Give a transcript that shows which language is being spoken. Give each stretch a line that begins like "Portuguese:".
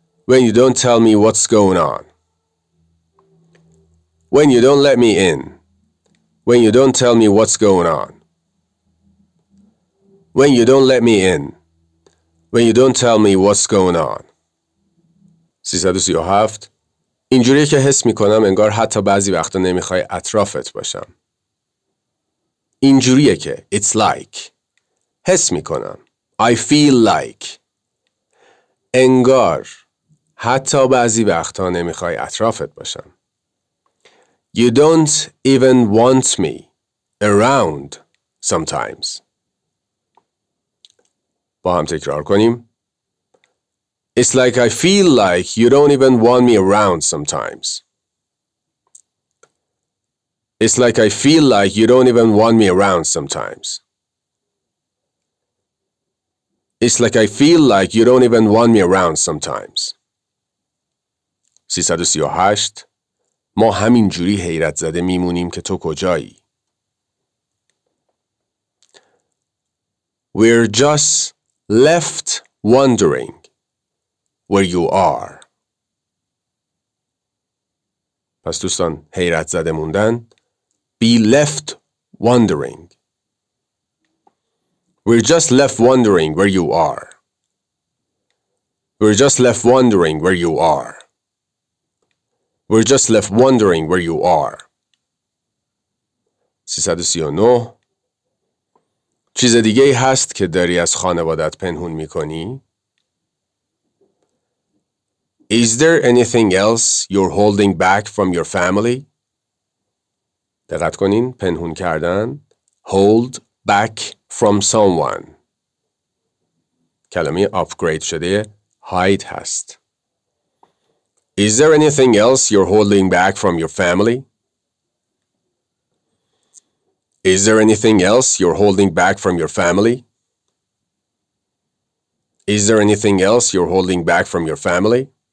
English: When you don't tell me what's going on. When you don't let me in. When you don't tell me what's going on. When you don't let me in. When you don't tell me what's going on. 337.
Persian: اینجوری که حس میکنم انگار حتی بعضی وقتا نمیخوای اطرافت باشم. اینجوریه که
English: it's like
Persian: حس میکنم
English: I feel like
Persian: انگار حتی بعضی وقتا نمیخوای اطرافت باشم.
English: You don't even want me around sometimes.
Persian: با هم تکرار کنیم.
English: It's like I feel like you don't even want me around sometimes. It's like I feel like you don't even want me around sometimes. It's like I feel like you don't even want me around sometimes. 338.
Persian: ما همین جوری حیرت زده میمونیم که تو کجایی.
English: We're just left wondering where you are.
Persian: پس دوستان حیرت زده موندن
English: be left wondering. We're just left wondering where you are. We're just left wondering where you are. We're just left wondering where you are. 339.
Persian: چیز دیگه ای هست که داری از خانوادت پنهون میکنی؟
English: Is there anything else you're holding back from your family?
Persian: دقت کنین پنهون کردن hold back from someone. کلمه آپگرید شده هاید هست.
English: Is there anything else you're holding back from your family? Is there anything else you're holding back from your family? Is there anything else you're holding back from your family?